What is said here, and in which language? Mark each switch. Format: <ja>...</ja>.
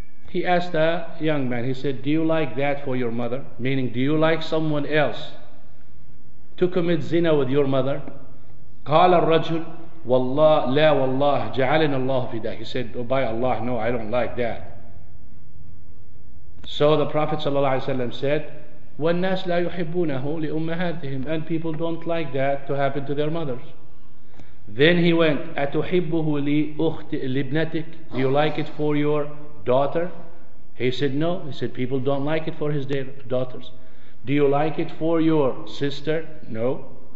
<en>He asked a young man, he said, do you like that for your mother? Meaning, do you like someone else to commit zina with your mother?</en> <ar>قال الرجل والله لا والله جعلنا الله في ذلك.</ar> <en>He said, oh, by Allah, no, I don't like that. So the Prophet ﷺ said,</en> <ar>والناس لا يحبونه لأمهاتهم.</ar> <en>And people don't like that to happen to their mothers. Then he went,</en> <ar>أتحبه لأخت لابنتك.</ar> <en>Do you like it for your daughter? He said, no. He said, people don't like it for his daughters. Do you like it for your sister? No.</en>